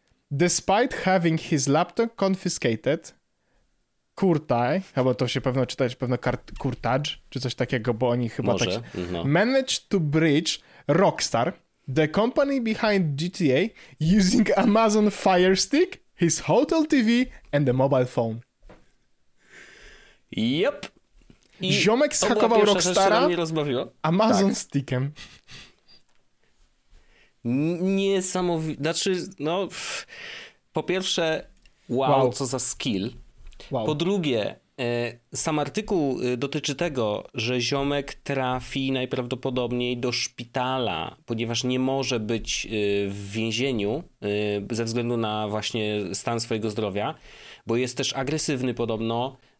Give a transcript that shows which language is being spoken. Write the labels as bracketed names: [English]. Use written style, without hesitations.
[English] Despite having his laptop confiscated, [Polish] Kurtai, albo to się pewno czyta, pewno Kurtaj, czy coś takiego, bo oni chyba może, tak... No. [English] Managed to breach Rockstar, the company behind GTA, using Amazon Fire Stick, his hotel TV and a mobile phone. Yep. [Polish] I ziomek zhakował Rockstara Amazon tak Stickiem. Niesamowite, znaczy, no, po pierwsze, wow, co za skill. Wow. Po drugie, sam artykuł dotyczy tego, że ziomek trafi najprawdopodobniej do szpitala, ponieważ nie może być w więzieniu ze względu na właśnie stan swojego zdrowia, bo jest też agresywny podobno,